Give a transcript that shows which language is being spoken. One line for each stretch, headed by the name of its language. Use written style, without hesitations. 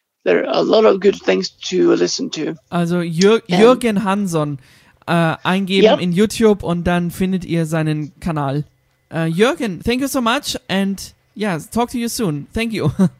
English: There are a lot of good things to listen to.
German: Also Jürgen Hansson eingeben, yep, in YouTube und dann findet ihr seinen Kanal.
English: Jürgen, thank you so much and yeah, talk to you soon. Thank you.